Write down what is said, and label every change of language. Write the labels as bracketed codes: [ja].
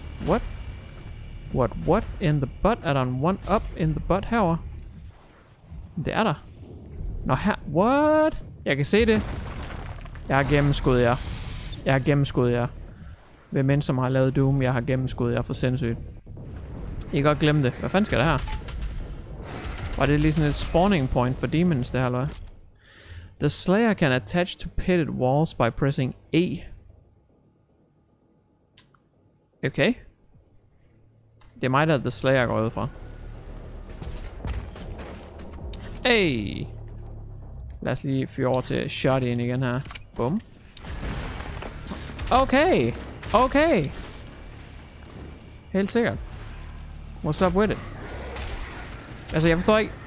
[en] What? What in the butt? [da] Er der en [en] one up in the butt [da] herovre? Det er der. Nå her, what? Jeg kan se det. Jeg har gennemskudt jer. Jeg har gennemskudt jer. Hvem end som har lavet Doom, jeg har gennemskudt jer for sindssygt. I kan godt glemme det. Hvad fanden skal det her? Var det lige sådan et spawning point for demons, det her, eller hvad? [en] The Slayer can attach to pitted walls by pressing E. Okay. [da] Det er mig, der er The Slayer, jeg går ud fra. Hey! Lad os lige fyre over til shot ind igen her. Bum. Okay! Okay! Helt sikkert. [en] What's up with it? [da] Altså, jeg forstår ikke.